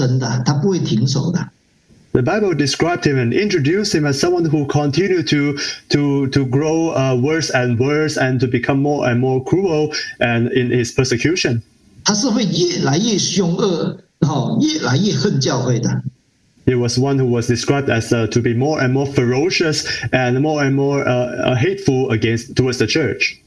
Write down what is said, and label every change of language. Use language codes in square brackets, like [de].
[zh] 圣经这样介绍我们，让我们认识，今天逼迫教会的人哦，他是越逼迫越大的，他是越陷越深的，他不会停手的。 [en] The Bible described him and introduced him as someone who continued to grow worse and worse and to become more and more cruel and in his persecution. [zh] 他是会越来越凶恶，越来越恨教会的。 [en] He was one who was described as to be more and more ferocious and more hateful against towards the church.